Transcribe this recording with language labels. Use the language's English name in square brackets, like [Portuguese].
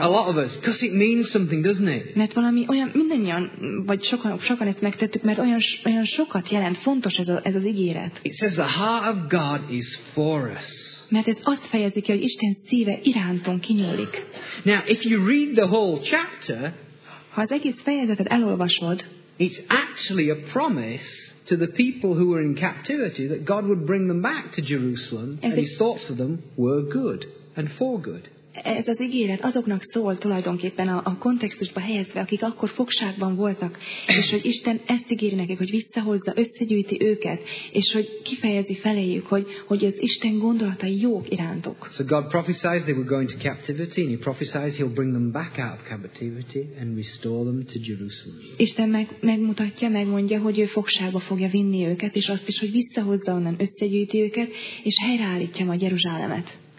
[English] A lot of us, because it means something, doesn't it? [Hungarian] Mert valami olyan, mindannyian, vagy sokan ezt megtettük, mert olyan sokat jelent, fontos ez az ígéret. [English] It says the heart of God is for us. [Hungarian] Mert ez azt fejezi ki, hogy Isten szíve irántunk kinyúlik. [English] Now, if you read the whole chapter, [Hungarian] ha az egész fejezetet elolvasod, [English] it's actually a promise to the people who were in captivity that God would bring them back to Jerusalem, and his thoughts for them were good and for good. [Hungarian] Ez az ígéret azoknak szól tulajdonképpen a kontextusba helyezve, akik akkor fogságban voltak, és hogy Isten ezt ígéri nekik, hogy visszahozza, összegyűjti őket, és hogy kifejezi feléjük, hogy az Isten gondolatai jók irántuk. [English] So God prophesies they were going to captivity, and he prophesies he'll bring them back out of captivity and restore them to Jerusalem. [Hungarian] Isten megmutatja, megmondja, hogy ő fogságba fogja vinni őket, és azt is, hogy visszahozza onnan, összegyűjti őket, és helyreállítja majd Jeruzsálemet.